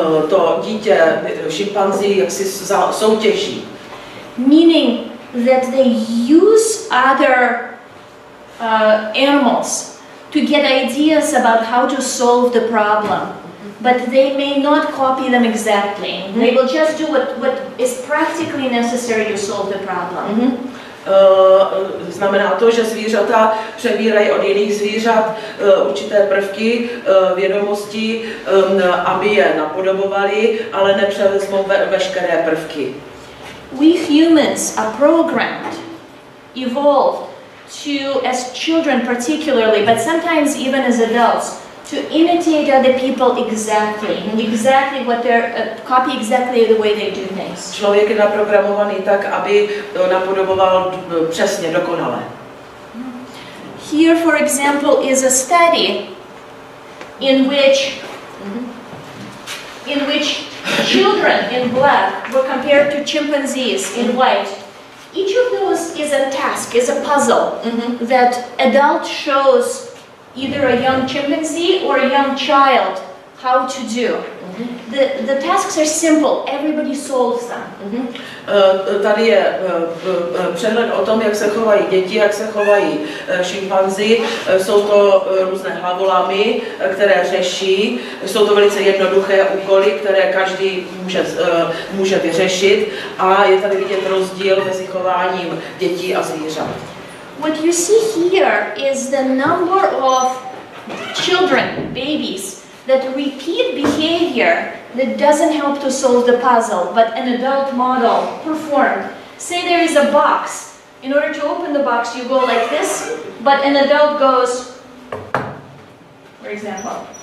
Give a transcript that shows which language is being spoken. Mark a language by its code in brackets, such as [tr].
[cs] To dítě šimpanzí jaksi soutěží. [en] Meaning that they use other animals to get ideas about how to solve the problem. But they may not copy them exactly. They will just do what is practically necessary to solve the problem. Mm-hmm. [cs] znamená to, že zvířata přebírají od jiných zvířat určité prvky, vědomosti, aby je napodobovali, ale nepřevezmou veškeré prvky. [en] We humans are programmed, evolved to, as children particularly, but sometimes even as adults, to imitate other people exactly, exactly what they're copy exactly the way they do things. [cs] Člověk je naprogramovaný tak, aby to napodoboval přesně, dokonale. [en] Here, for example, is a study in which children in black were compared to chimpanzees in white. Each of those is a task, is a puzzle that adult shows either a young chimpanzee or a young child how to do. The tasks are simple, everybody solves them. [cs] Tady je přehled o tom, jak se chovají děti, jak se chovají šimpanzi. Jsou to různé hlavolamy, které řeší. Jsou to velice jednoduché úkoly, které každý může vyřešit. A je tady vidět rozdíl mezi chováním dětí a zvířat. [en] What you see here is the number of children, babies, that repeat behavior that doesn't help to solve the puzzle, but an adult model performed. Say there is a box. In order to open the box, you go like this, but an adult goes, for example.